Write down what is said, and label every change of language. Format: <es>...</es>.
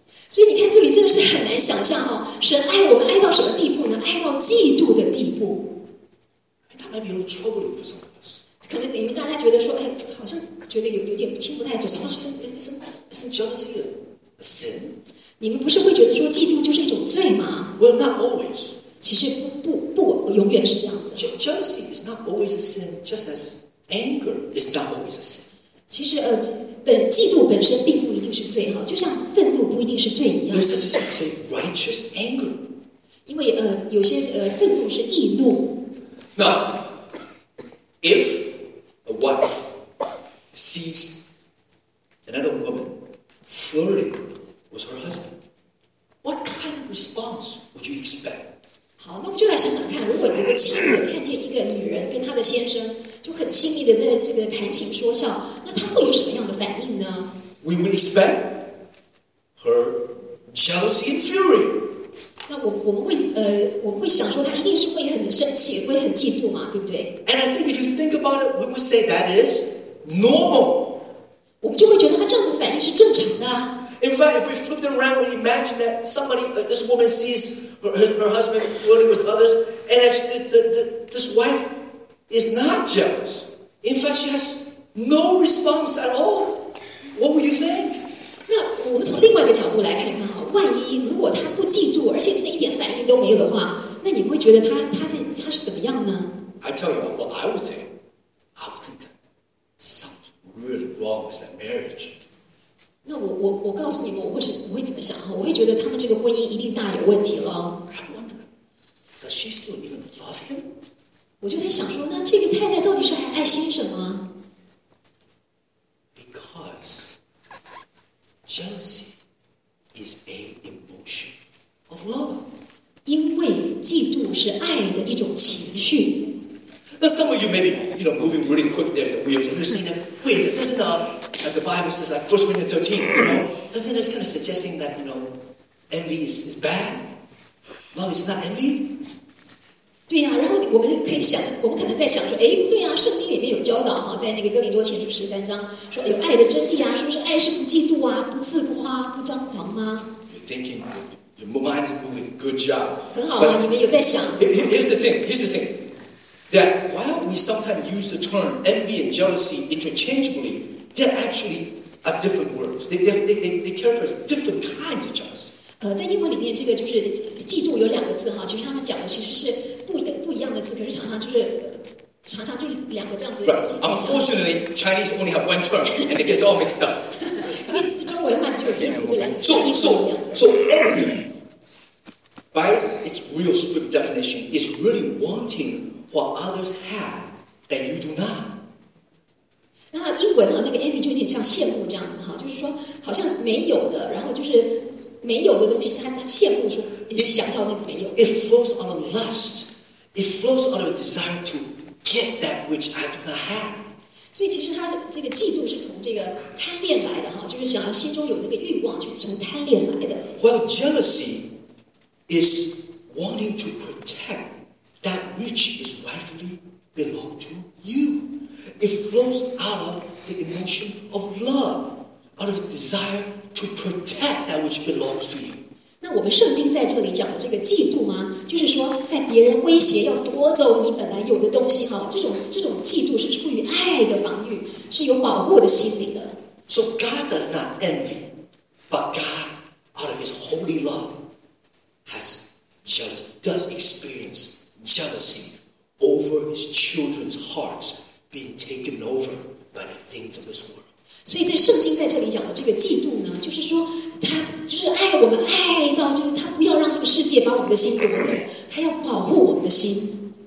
<zh>所以你看这里真的是很难想象哦，神爱我们爱到什么地步呢？爱到嫉妒的地步。</zh> <en>And that might be a little troubling for some of us.</en> <zh>可能你们大家觉得说，哎，好像觉得有点听不太懂。</zh> <en>Isn't jealousy a sin?</en> <zh>你们不是会觉得说嫉妒就是一种罪吗？</zh> <en>Well, not always.</en> <zh>其实不永远是这样子。</zh> <en>Jealousy is not always a sin, just as anger is not always a sin.</en> <zh>其实嫉妒本身并不一定是罪，就像愤怒不一定是罪一样。</zh> <en>There's such a thing as righteous anger.</en> <zh>因为有些愤怒是易怒。</zh> <en>Now, if a wife sees another woman flirting was her husband. What kind of response would you expect?</en> <zh>好，那我就来想想看，如果有一个妻子看见一个女人跟她的先生就很亲密的在这个谈情说笑，那她会有什么样的反应呢？</zh> <en>We would expect her jealousy and fury.</en> <zh>那我们会想说她一定是会很生气，会很嫉妒嘛，对不对？</zh> <en>And I think if you think about it, we would say that is normal.</en> <zh>我们就会觉得她这样子反应是正常的。</zh> <en>In fact, if we flip it around, we imagine that somebody, this woman sees her husband flirting with others, and as this wife is not jealous. In fact, she has no response at all. What would you think?</en> <zh>那我们从另外一个角度来看看哈，万一如果她不嫉妒，而且真的一点反应都没有的话，那你会觉得她是怎么样呢？</zh> <en>I tell you what I would think. I would think that something really wrong with that marriage.</en> <zh>那我告诉你们，我会怎么想哈？我会觉得他们这个婚姻一定大有问题了。</zh> <en>I wonder, does she still even love him?</en> <zh>我就在想说，那这个太太到底是还爱先生吗？</zh> <en>Because jealousy is a emotion of love.</en> <zh>因为嫉妒是爱的一种情绪。</zh> <en>Now some of you maybe you know moving really quick there in the wheels. You're saying, wait, doesn't the Bible says like 1 Corinthians 13, you know, doesn't it kind of suggesting that, you know, envy is bad? Well, it's not envy.</en> <zh>对呀、啊，然后我们可以想，我们可能在想说，哎，不对呀、啊，圣经里面有教导哈，在那个哥林多前书十三章说有爱的真谛啊，说是爱是不嫉妒啊，不自夸，不张狂吗？</zh> <en>You're thinking, your mind is moving. Good job.</en> <zh>很好啊，</zh> <en>But、</en> <zh>你们有在想。</zh> <en>Here's the thing. That while we sometimes use the term envy and jealousy interchangeably, they actually are different words. They characterize different kinds of jealousy.</en> <zh>在英文里面，这个就是嫉妒有两个字哈，其实他们讲的其实是不一样的字，可是常常就是两个这样子。</zh> <en>Right. Unfortunately, Chinese only have one term, and it gets all mixed up.</en> <zh>因为中文话只有嫉妒这两个字，</zh> <en>So envy, by its real strict definition, is really wanting. What others have that you do not.</en> <zh>那英文呢？那个 envy 就有点像羡慕这样子哈，就是说好像没有的，然后就是没有的东西，他羡慕说想要那个没有。</zh> <en>It flows out of lust. It flows out of a desire to get that which I do not have.</en> <zh>所以其实他这个嫉妒是从这个贪恋来的哈，就是想要心中有那个欲望，就是从贪恋来的。</zh> <en>While jealousy is wanting to protect. That which is rightfully belong to you. It flows out of the emotion of love, out of desire to protect that which belongs to you.</en> <zh>那我们圣经在这里讲的这个嫉妒吗？就是说，在别人威胁要夺走你本来有的东西哈，这种嫉妒是出于爱的防御，是有保护的心理的。</zh> <en>So God does not envy, but God, out of His holy love, has jealous does experience. Jealousy over his children's hearts being taken over by the things of this world.</en> <zh>所以在圣经在这里讲的这个嫉妒呢，就是说他就是爱我们爱到就是他不要让这个世界把我们的心夺走，他要保护我们的心。</zh>